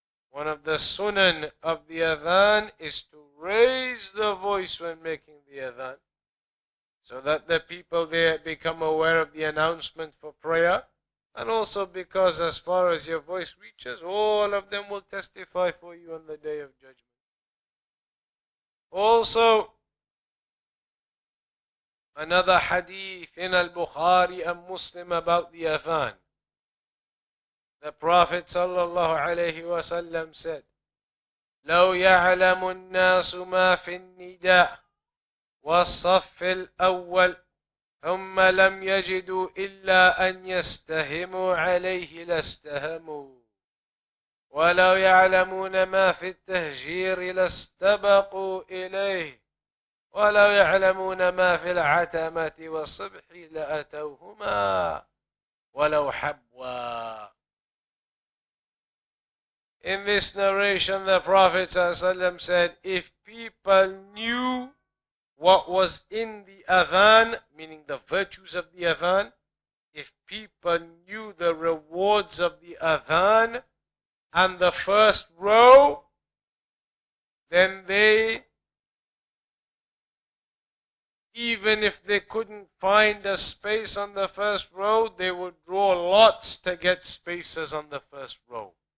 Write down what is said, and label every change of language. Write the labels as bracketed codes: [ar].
[en] One of the Sunan of the Adhan is to raise the voice when making the Adhan, so that the people there become aware of the announcement for prayer, and also because as far as your voice reaches, all of them will testify for you on the Day of Judgment. Also, another hadith in Al-Bukhari and Muslim about the adhan. The Prophet sallallahu alayhi wa sallam said, [ar] لو يعلم الناس ما في النداء والصف الأول ثم لم يجدوا إلا أن يستهموا عليه لاستهموا ولو يعلمون ما في التهجير لاستبقوا إليه وَلَوْ يَعْلَمُونَ مَا فِي الْعَتَمَةِ وَالصُّبْحِ لَأَتَوْهُمَا وَلَوْ حَبْوًا. [en] In this narration, the Prophet ﷺ said, if people knew what was in the adhan, meaning the virtues of the adhan, if people knew the rewards of the adhan and the first row, then they, even if they couldn't find a space on the first row, they would draw lots to get spaces on the first row.